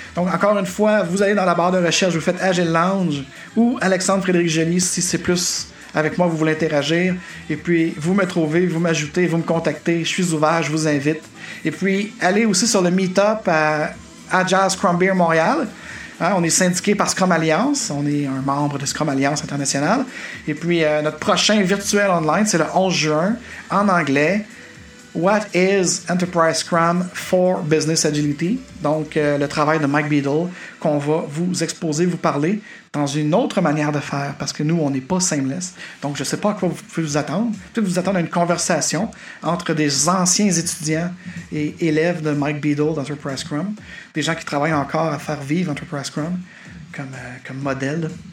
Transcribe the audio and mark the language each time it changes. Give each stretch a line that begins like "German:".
French: Donc encore une fois, vous allez dans la barre de recherche, vous faites Agile Lounge ou Alexandre Frédéric Joly si c'est plus avec moi vous voulez interagir, et puis vous me trouvez, vous m'ajoutez, vous me contactez, je suis ouvert, je vous invite. Et puis allez aussi sur le meet-up à Jazz Scrum Beer Montréal. Hein, on est syndiqué par Scrum Alliance, on est un membre de Scrum Alliance International. Et puis notre prochain virtuel online, c'est le 11 juin en anglais.
English: What is Enterprise Scrum for Business Agility?
French: Donc, le travail de Mike Beadle qu'on va vous exposer, vous parler dans une autre manière de faire, parce que nous, on n'est pas seamless. Donc, je ne sais pas à quoi vous pouvez vous attendre. Peut-être vous attendre à une conversation entre des anciens étudiants et élèves de Mike Beadle d'Enterprise Scrum, des gens qui travaillent encore à faire vivre Enterprise Scrum comme modèle.